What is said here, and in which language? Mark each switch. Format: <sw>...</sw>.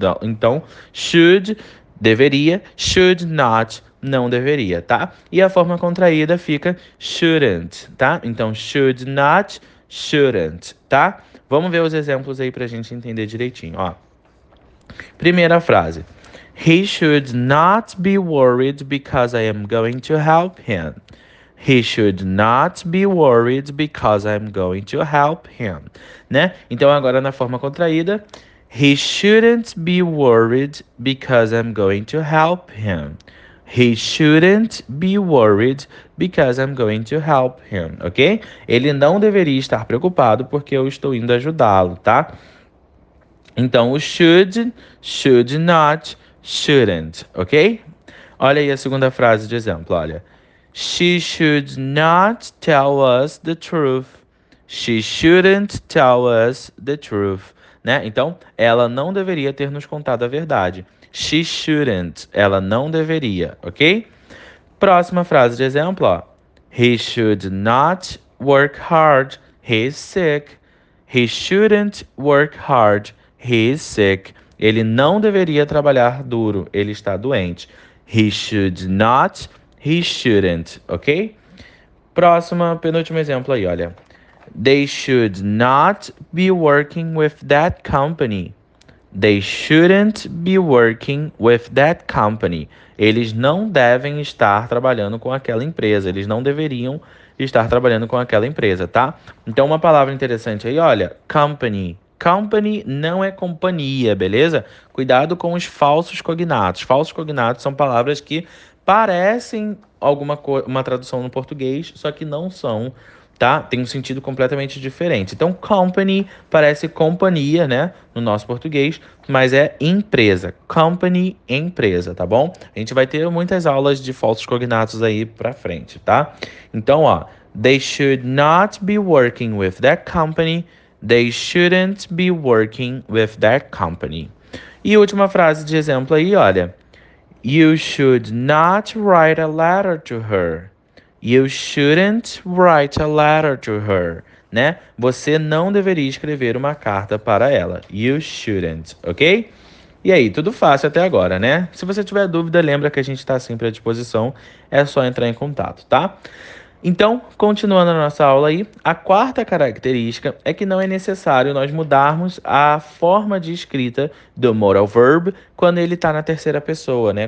<pt>Então, should deveria, should not não deveria, tá? E a forma contraída fica shouldn't, tá? Então, should not, shouldn't, tá? Vamos ver os exemplos aí para a gente entender direitinho, ó. Primeira frase.</pt> <en>He should not be worried because I am going to help him. He should not be worried because I am going to help him.</en> <pt>Né? Então, agora na forma contraída.</pt> <en>He shouldn't be worried because I'm going to help him. He shouldn't be worried because I'm going to help him, ok?</en> <pt>Ele não deveria estar preocupado porque eu estou indo ajudá-lo, tá? Então, o should not, shouldn't, ok? Olha aí a segunda frase de exemplo, olha.</pt> <en>She should not tell us the truth. She shouldn't tell us the truth,</en> <pt>né? Então, ela não deveria ter nos contado a verdade.</pt> <en>She shouldn't.</en> <pt>Ela não deveria, ok? Próxima frase de exemplo, ó.</pt> <en>He should not work hard. He is sick. He shouldn't work hard. He is sick.</en> <pt>Ele não deveria trabalhar duro. Ele está doente.</pt> <en>He should not. He shouldn't, ok?</en> <pt>Próxima, penúltimo exemplo aí, olha.</pt> <en>They should not be working with that company. They shouldn't be working with that company.</en> <pt>Eles não devem estar trabalhando com aquela empresa. Eles não deveriam estar trabalhando com aquela empresa, tá? Então, uma palavra interessante aí, olha, company. Company não é companhia, beleza? Cuidado com os falsos cognatos. Falsos cognatos são palavras que parecem alguma uma tradução no português, só que não são. Tá? Tem um sentido completamente diferente. Então, company parece companhia, né? No nosso português, mas é empresa. Company, empresa, tá bom? A gente vai ter muitas aulas de falsos cognatos aí pra frente, tá? Então, ó.</pt> <en>They should not be working with that company. They shouldn't be working with that company.</en> <pt>E última frase de exemplo aí, olha.</pt> <en>You should not write a letter to her. You shouldn't write a letter to her, né?</en> <pt>Você não deveria escrever uma carta para ela.</pt> <en>You shouldn't, ok?</en> <pt>E aí, tudo fácil até agora, né? Se você tiver dúvida, lembra que a gente está sempre à disposição. É só entrar em contato, tá? Então, continuando a nossa aula aí, a quarta característica é que não é necessário nós mudarmos a forma de escrita do modal verb quando ele está na terceira pessoa, né?</pt>